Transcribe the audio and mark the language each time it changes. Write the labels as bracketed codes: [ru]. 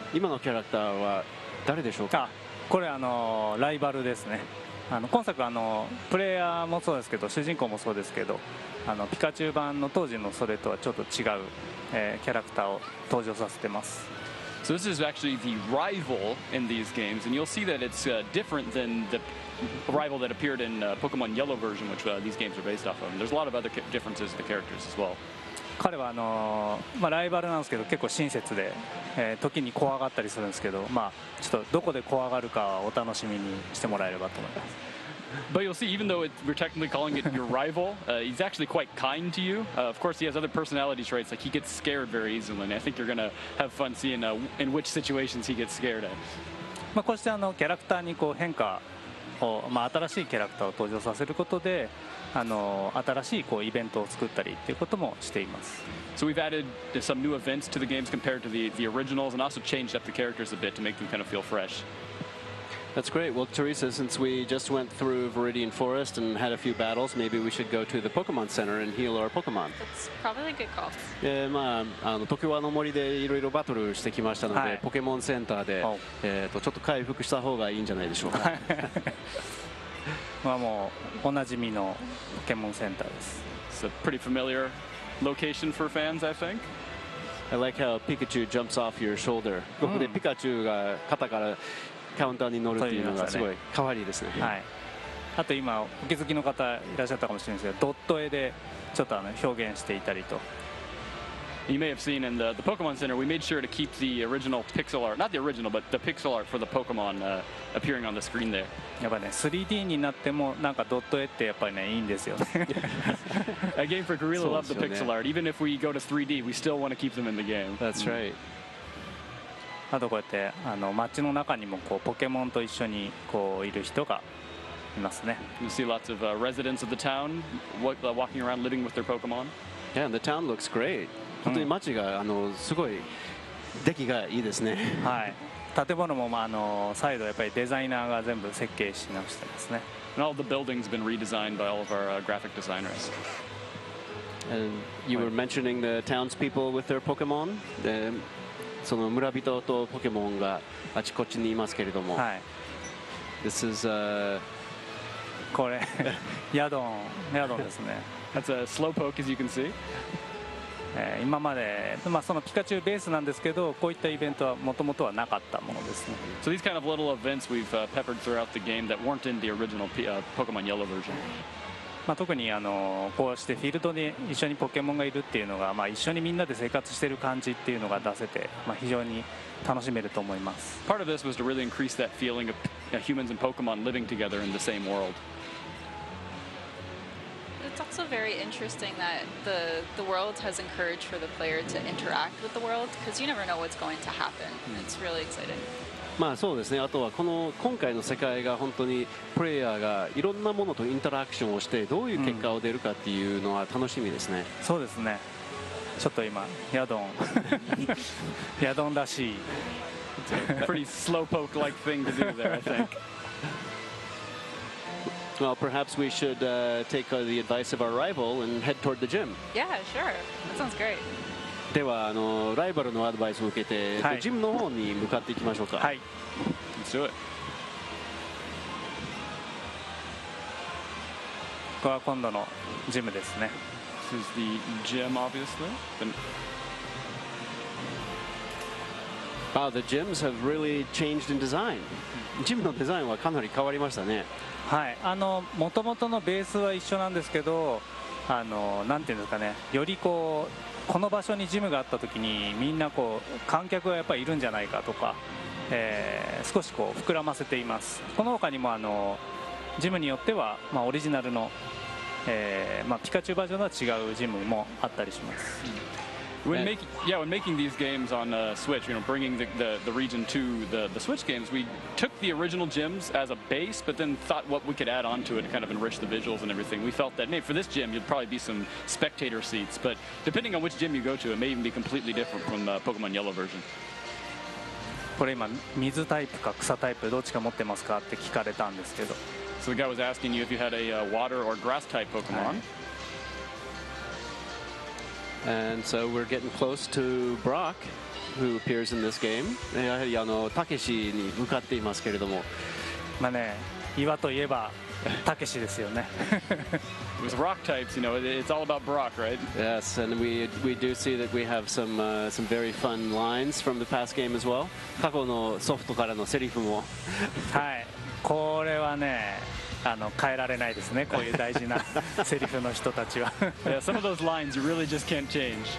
[ja] 今のキャラクターは誰でしょうか？これあのライバルですね。あの今作あのプレイヤーもそうですけど主人公もそうですけど、あのピカチュウ版の当時のそれとはちょっと違う、キャラクターを登場させてます。 [en] So this is actually the rival in these games, and you'll see that it's different than the rival that appeared in Pokemon Yellow version, which these games are based off of. And there's a lot of other differences in the characters as well. [ja] 彼はあの、まあ、ライバルなんですけど結構親切で、時に怖がったりするんですけど、まあ、ちょっとどこで怖がるかはお楽しみにしてもらえればと思います。 [en] But you'll see, even though we're technically calling it your rival, he's actually quite kind to you. Of course, he has other personality traits, like he gets scared very easily, and I think you're going to have fun seeing in which situations he gets scared at. [ja] まあこうしてあのキャラクターにこう変化を、まあ、新しいキャラクターを登場させることで、あの新しいこうイベントを作ったりということもしています。 [en] So we've added some new events to the games compared to the originals, and also changed up the characters a bit to make them kind of feel fresh. That's great. Well, Teresa, since we just went through Viridian Forest and had a few battles, maybe we should go to the Pokemon Center and heal our Pokemon. That's probably a good call. [ja] Yeah, まあ、あの、トキワの森でいろいろバトルしてきましたので、ポケモンセンターで、ちょっと回復した方がいいんじゃないでしょうか。まあ、もう、おなじみのポケモンセンターです。 [en] It's a pretty familiar location for fans, I think. I like how Pikachu jumps off your shoulder. [ja] ここでピカチュウが肩からカウンターに乗るっていうのがすごい可愛いですね。はい。あと今お気づきの方いらっしゃったかもしれないですけど、ドット絵でちょっとあの表現していたりと。 [en] You may have seen in the Pokemon Center, we made sure to keep the original pixel art, not the original, but the pixel art for the Pokemon appearing on the screen there. [ja] やっぱりね、3D になってもなんかドット絵ってやっぱりね、いいんですよ。 [en] A game for Gorilla love the pixel art. Even if we go to 3D, we still want to keep them in the game. That's right.、 [ja] あとこうやってあの街の中にもこうポケモンと一緒にこういる人がいますね。 [en] You see lots of residents of the town walking around living with their Pokemon. Yeah, and the town looks great. [ja] 本当に街が、あのすごい出来がいいですね。はい。建物も、まあ、あの再度やっぱりデザイナーが全部設計し直してますね。 [en] And all the buildings have been redesigned by all of our graphic designers. And you were mentioning the townspeople with their Pokemon. [ja] で、その村人とポケモンがあちこちにいますけれども。はい。 [en] This is [ja] これ、ヤドンですね。 [en] That's a slowpoke, as you can see. [ja] 今まで、まあ、そのピカチュウベースなんですけど、こういったイベントはもともとはなかったものですね。 [en] So these kind of little events we've peppered throughout the game that weren't in the original Pokemon Yellow version. [ja] まあ特にあのこうしてフィールドに一緒にポケモンがいるっていうのが、まあ一緒にみんなで生活してる感じっていうのが出せて、まあ非常に楽しめると思います。 [en] Part of this was to really increase that feeling of humans and Pokemon living together in the same world. It's also very interesting that the world has encouraged for the player to interact with the world because you never know what's going to happen. It's really exciting. [ja] まあそうですね。あとはこの今回の世界が本当にプレイヤーがいろんなものとインタラクションをしてどういう結果を出るかっていうのは楽しみですね。そうですね。ちょっと今ヤドンらしい。 [en] Pretty slowpoke like thing to do there, I think. Well, perhaps we should take the advice of our rival and head toward the gym. Yeah, sure. That sounds great. [ja] ではあのライバルのアドバイスを受けて、はい、ジムの方に向かっていきましょうか。はい。 [en] Let's do it. [ja] ここは今度のジムですね。 [en] This is the gym, obviously. Wow, the gyms have really changed in design. [ja] ジムのデザインはかなり変わりましたね。はい、あの元々のベースは一緒なんですけど、あのなんていうんですかね、よりこうこの場所にジムがあったときにみんなこう観客がやっぱりいるんじゃないかとか、少しこう膨らませています。この他にもあのジムによっては、まあ、オリジナルの、まあ、ピカチュウバージョンとは違うジムもあったりします。 [en] Yeah, when making these games on Switch, you know, bringing the region to the Switch games, we took the original gyms as a base, but then thought what we could add on to it to kind of enrich the visuals and everything. We felt that, hey, for this gym, you'd probably be some spectator seats, but depending on which gym you go to, it may even be completely different from the Pokemon Yellow version. [ja] これ今水タイプか草タイプどっちか持ってますかって聞かれたんですけど。 [en] So the guy was asking you if you had a water or grass type Pokemon.、はい And so we're getting close to Brock. who appears in this game. [ja] やはりあのたけしに向かっていますけれども。まあね、岩といえばたけしですよね。 [en] With rock types, you know, it's all about Brock, right? Yes, and we do see that we have some very fun lines from the past game as well. [ja] 過去のソフトからのセリフも。はい、これはね。あの変えられないですね。こういう大事なセリフの人たちは。 [en] Yeah, some of those lines you really just can't change.